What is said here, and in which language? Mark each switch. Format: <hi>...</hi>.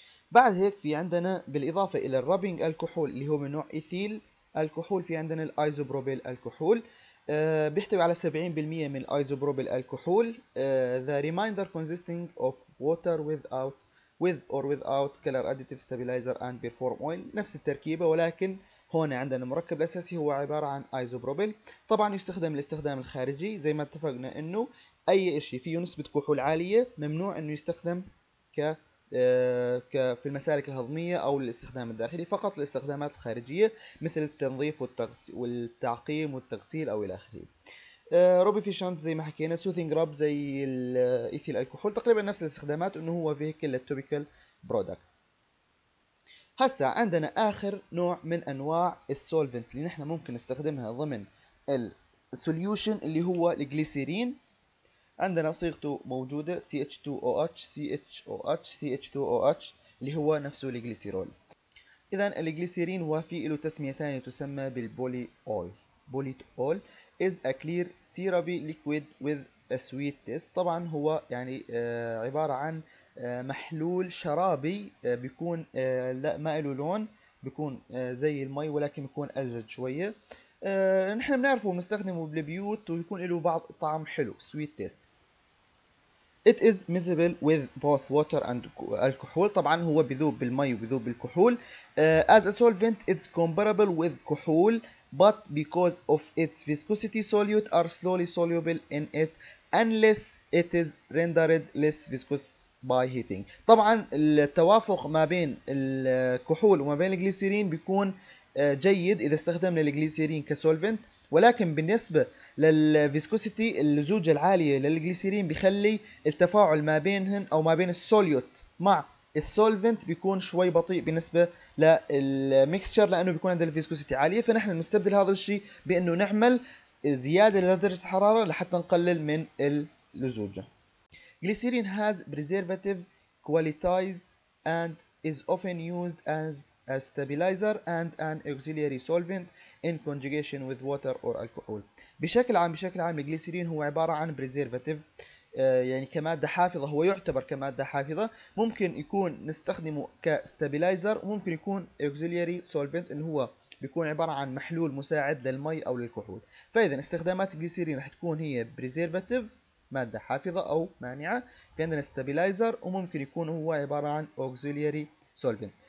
<ar>بعد هيك في عندنا بالاضافه الى الرابينج الكحول اللي هو من نوع ايثيل الكحول، في عندنا الايزوبروبيل الكحول. بيحتوي على 70% من الايزوبروبيل الكحول.</ar> <en>The remainder consisting of water without with or without color additive stabilizer and perform oil.</en> <ar>نفس التركيبة، ولكن هون عندنا المركب الأساسي هو عبارة عن ايزوبروبيل. طبعا يستخدم الاستخدام الخارجي زي ما اتفقنا، انه اي شيء فيه نسبة كحول عالية ممنوع انه يستخدم ك في المسالك الهضمية أو الاستخدام الداخلي، فقط الاستخدامات الخارجية مثل التنظيف والتعقيم والتغسيل أو إلى آخره. روبي فيشانت زي ما حكينا، سوثينج راب زي الإيثيل الكحول، تقريبا نفس الاستخدامات، إنه هو فيهيكل للتوبيكال برودكت. هسا عندنا آخر نوع من أنواع السولفنت اللي نحن ممكن نستخدمها ضمن السوليوشن اللي هو الجليسيرين. عندنا صيغته موجودة CH2OH CHOH CH2OH اللي هو نفسه الجليسيرول. إذا الجليسيرين وفي له تسمية ثانية تسمى بالبولي أويل.</ar> <en>Poly oil is a clear syrupy liquid with a sweet taste.</en> <ar>طبعا هو يعني عبارة عن محلول شرابي بيكون ما له لون، بيكون زي المي ولكن بيكون ألزج شوية. نحن بنعرفه ونستخدمه بالبيوت ويكون له بعض طعم حلو</ar> <en>sweet taste. It is miscible with both water and alcohol.</en> <ar>طبعا هو بيذوب بالمي وبيذوب بالكحول.</ar> <en>As a solvent it's comparable with كحول but because of its viscosity solute are slowly soluble in it unless it is rendered less viscous by heating.</en> <ar>طبعا التوافق ما بين الكحول وما بين الجليسيرين بيكون جيد اذا استخدمنا الجليسيرين كسولفنت، ولكن بالنسبة للفيسكوسيتي اللزوجة العالية للجليسيرين بيخلي التفاعل ما بينهن او ما بين السوليوت مع السولفنت بيكون شوي بطيء بالنسبة للميكسشر لانه بيكون عند الفيسكوسيتي عالية. فنحن نستبدل هذا الشيء بانه نعمل زيادة لدرجة الحرارة لحتى نقلل من اللزوجة.</ar> <en>Glycerin has preservative qualities and is often used as a stabilizer and an auxiliary solvent in conjugation with water or alcohol.</en> <ar>بشكل عام الجليسيرين هو عبارة عن preservative، يعني كمادة حافظة، هو يعتبر كمادة حافظة، ممكن يكون نستخدمه كستابيلايزر وممكن يكون</ar> <en>auxiliary solvent</en> <ar>إن هو بيكون عبارة عن محلول مساعد للمي أو للكحول. فإذا استخدامات الجليسيرين رح تكون هي preservative، مادة حافظة أو مانعة، في عندنا ستابيلايزر، وممكن يكون هو عبارة عن</ar> <en>auxiliary solvent.</en>